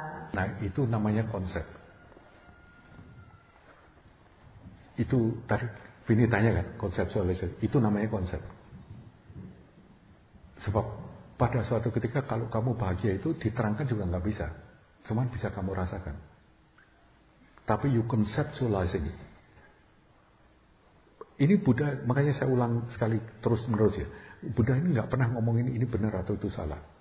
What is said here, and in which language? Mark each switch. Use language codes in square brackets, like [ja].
[id] Nah, itu namanya konsep. Itu tadi Vini tanya kan, konseptualisasi. Itu namanya konsep. Sebab pada suatu ketika kalau kamu bahagia itu diterangkan juga enggak bisa. Cuman bisa kamu rasakan. Tapi [en] you conceptualize it. [id] Ini Buddha, makanya saya ulang sekali terus menerus ya. Buddha ini enggak pernah ngomongin ini benar atau itu salah.